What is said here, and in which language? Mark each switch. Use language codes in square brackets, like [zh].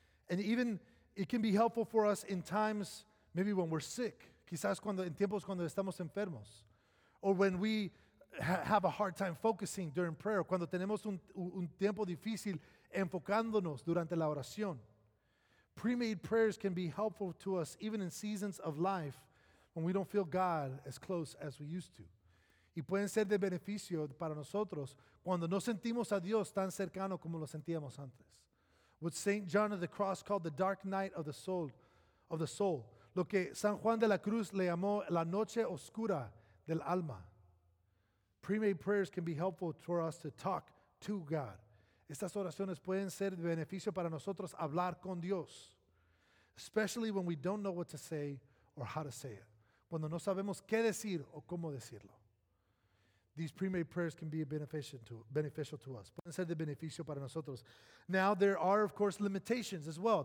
[en] And even it can be helpful for us in times, maybe when we're sick, [es] quizás en tiempos cuando estamos enfermos, [en] or when we have a hard time focusing during prayer, [es] cuando tenemos un tiempo difícil enfocándonos durante la oración. [en] Pre-made prayers can be helpful to us even in seasons of life when we don't feel God as close as we used to. [es] Y pueden ser de beneficio para nosotros cuando no sentimos a Dios tan cercano como lo sentíamos antes. [en] What St. John of the Cross called the dark night of the soul. [es] Lo que San Juan de la Cruz le llamó la noche oscura del alma. [en] Pre-made prayers can be helpful for us to talk to God. [es] Estas oraciones pueden ser de beneficio para nosotros hablar con Dios. [en] Especially when we don't know what to say or how to say it. [es] Cuando no sabemos qué decir o cómo decirlo. [en] These pre-made prayers can be beneficial to us. [es] Pueden ser de beneficio para nosotros. [en] Now there are, of course, limitations as well.